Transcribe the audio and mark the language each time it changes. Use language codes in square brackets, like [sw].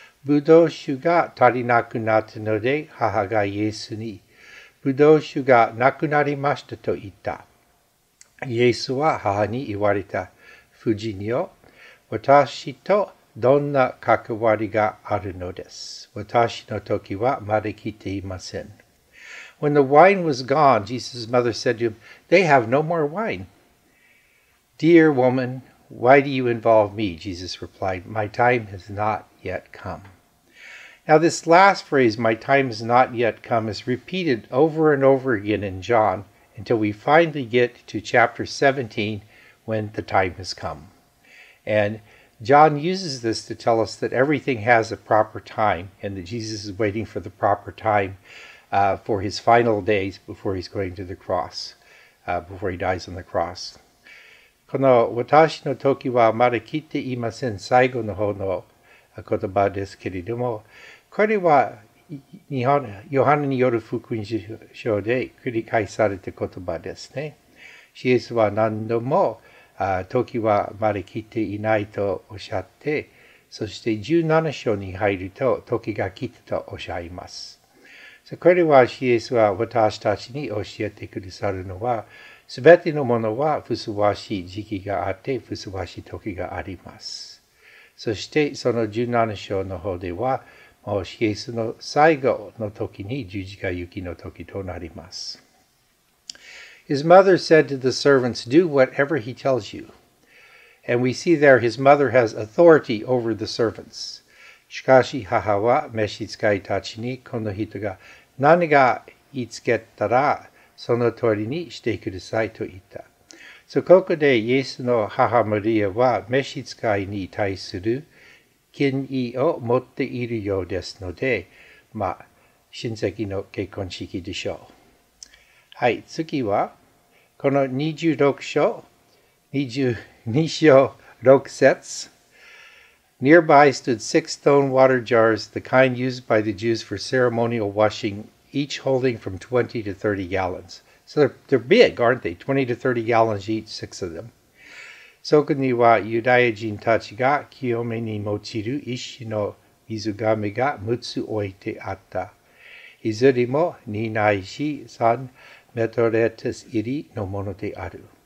[ja] ブドウ酒が足りなくなったので、母がイエスに、ブドウ酒がなくなりましたと言った。イエスは母に言われた。夫人よ、私とどんな関わりがあるのです。私の時はまだ来ていません。 [en] When the wine was gone, Jesus' mother said to him, They have no more wine. Dear woman, why do you involve me? Jesus replied, My time has not. Yet come. Now, this last phrase, my time has not yet come, is repeated over and over again in John until we finally get to chapter 17 when the time has come. And John uses this to tell us that everything has a proper time and that Jesus is waiting for the proper time for his final days before he's going to the cross, before he dies on the cross. [ja] この私の時はまだ来ていません。最後の方の言葉ですけれども、これは日本ヨハネによる福音書で繰り返された言葉ですね。イエスは何度も時はまだ来ていないとおっしゃって、そして17章に入ると時が来たとおっしゃいます。これはイエスは私たちに教えてくださるのは、すべてのものはふさわしい時期があって、ふさわしい時があります。そしてその17章の方では、もうイエスの最後の時に十字架行きの時となります。 [en] His mother said to the servants, Do whatever he tells you. And we see there his mother has authority over the servants. [ja] しかし母は召使いたちにこの人が何が言いつけたらその通りにしてくださいと言った。 So, ここでイエスの母マリアは召使いに対する権威を持っているようですので、まあ、親戚の結婚式でしょう。はい、次は、この22章6節。 [en] Nearby stood six stone water jars, the kind used by the Jews for ceremonial washing, each holding from 20 to 30 gallons. So they're big, aren't they? 20 to 30 gallons each, six of them. [ja] そこにはユダヤ人たちが清めに用いる石の水瓶が6つ置いてあった。いずれも2ないし3メトレテス入りのものである。